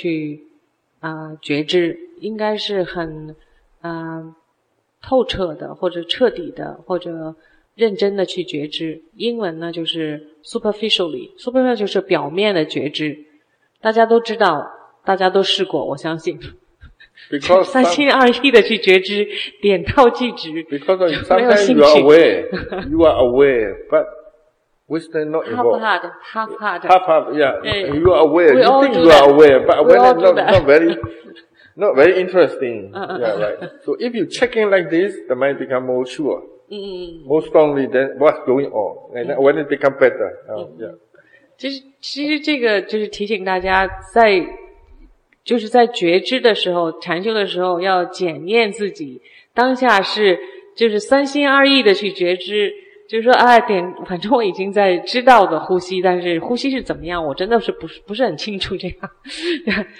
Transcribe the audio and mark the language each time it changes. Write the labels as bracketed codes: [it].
[zh] 这个同学问呢，就是在禅师的一本小册子里上面讲呢，我们觉知的时候呢，不要是就是三心两意，就是不是很认真的去觉知，应该是很透彻的或者彻底的或者认真的去觉知，英文呢就是 superficially， superficial 就是表面的觉知。大家都知道，大家都试过，我相信。 [en] Because [zh] 三心二意的去觉知，点到即止。 [en] Because sometimes you are aware, you are aware, but wisdom not involved. Half-hearted. You are aware. You think you are aware, but awareness not very interesting. Yeah, right. So if you check in like this, the mind become more sure. More strongly than what's going on. And when it become better. [zh] Yeah. 其实这个就是提醒大家在就是在觉知的时候，禅修的时候要检验自己，当下是就是三心二意的去觉知，就是说哎，点，反正我已经在知道的呼吸，但是呼吸是怎么样，我真的是不是很清楚这样。